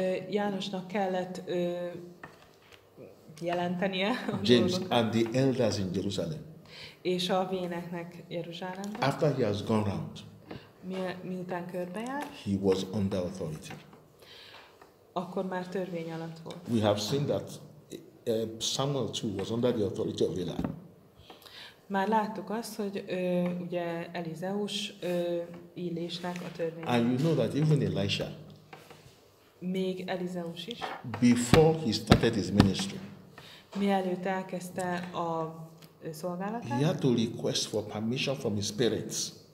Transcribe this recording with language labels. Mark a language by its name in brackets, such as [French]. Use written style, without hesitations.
[Hungarian] Jánosnak kellett jelentenie. [English] James and the elders in Jerusalem. [Hungarian] És a véneknek Jeruzsálemben. [English] After he has gone round. [Hungarian] Miután körbejárt. [English] He was under authority. [Hungarian] Akkor már törvény alatt volt. [English] We have seen that Samuel too was under the authority of Eli. [Hungarian] Már láttuk azt, hogy ugye Elizeus illésnek a törvénye. [English] And you know that even Elisha. [Hungarian] Még Elizeus is. [English] Before he started his ministry. [Hungarian] Mielőtt elkezdte a szolgálatát. [English] He had to request for permission from his parents.